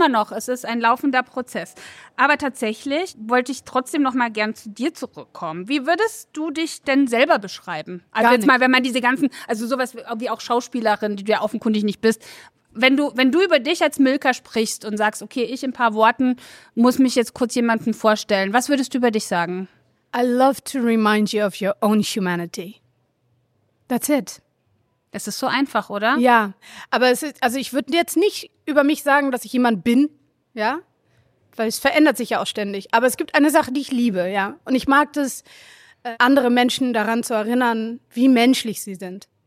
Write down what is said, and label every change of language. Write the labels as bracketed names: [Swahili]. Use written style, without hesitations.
[German] Es ist ein laufender Prozess. Aber tatsächlich wollte ich trotzdem noch mal gern zu dir zurückkommen. Wie würdest du dich denn selber beschreiben? Also gar jetzt nicht. Mal, wenn man diese ganzen, also sowas wie auch Schauspielerin, die du ja offenkundig nicht bist. Wenn du über dich als Milka sprichst und sagst, okay, ich in ein paar Worten muss mich jetzt kurz jemandem vorstellen. Was würdest du über dich sagen? [English] I love to remind you of your own humanity. That's it. [German] Es ist so einfach, oder? Ja, aber es ist, also ich würde jetzt nicht über mich sagen, dass ich jemand bin, ja, weil es verändert sich ja auch ständig. Aber es gibt eine Sache, die ich liebe, ja, und ich mag das, andere Menschen daran zu erinnern, wie menschlich sie sind.